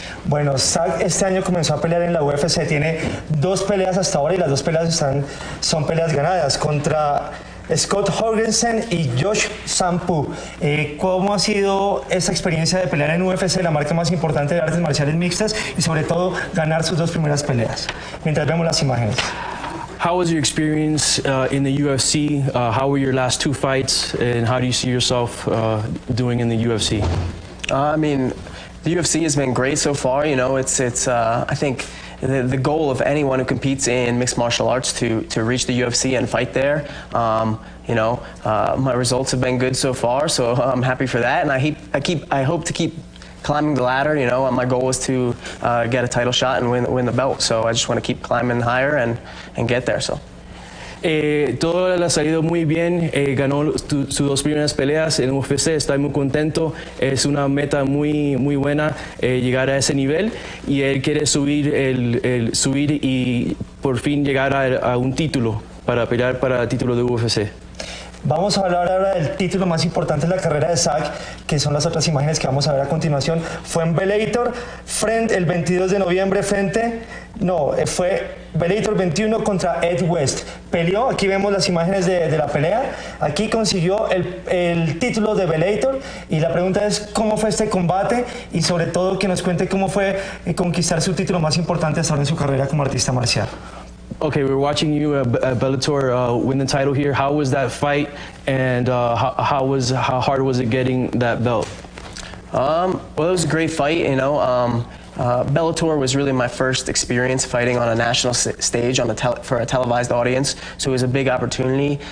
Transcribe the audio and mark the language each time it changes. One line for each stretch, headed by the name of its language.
Spanish: Bueno, Zach este año comenzó a pelear en la UFC, tiene dos peleas hasta ahora y las dos peleas son peleas ganadas contra Scott Jorgensen y Josh Sampu. ¿Cómo ha sido esa experiencia de pelear en UFC, la marca más importante de artes marciales mixtas, y sobre todo ganar sus dos primeras peleas? Mientras vemos las imágenes.
English: How was your experience in the UFC? How were your last two fights, and how do you see yourself doing in the UFC? I mean, the UFC has been great so far. You know, I think the goal of anyone who competes in mixed martial arts to reach the UFC and fight there. You know, my results have been good so far, so I'm happy for that, and I hope to keep climbing the ladder. You know, my goal was to get a title shot and win the belt, so I just want to keep climbing higher and get there. So
Spanish: Todo le ha salido muy bien, ganó sus dos primeras peleas en UFC, estoy muy contento, es una meta muy, muy buena llegar a ese nivel, y él quiere subir, subir y por fin llegar a un título, para pelear para el título de UFC. Vamos a hablar ahora del título más importante de la carrera de Zach, que son las otras imágenes que vamos a ver a continuación. Fue en Bellator, frente, el 22 de noviembre frente, no, fue Bellator 21 contra Ed West. Peleó, aquí vemos las imágenes de la pelea, aquí consiguió el título de Bellator, y la pregunta es cómo fue este combate, y sobre todo que nos cuente cómo fue conquistar su título más importante hasta ahora en su carrera como artista marcial.
English: Okay, we're watching you at Bellator win the title here. How was that fight, and how hard was it getting that belt? Well, it was a great fight. You know, Bellator was really my first experience fighting on a national stage for a televised audience, so it was a big opportunity.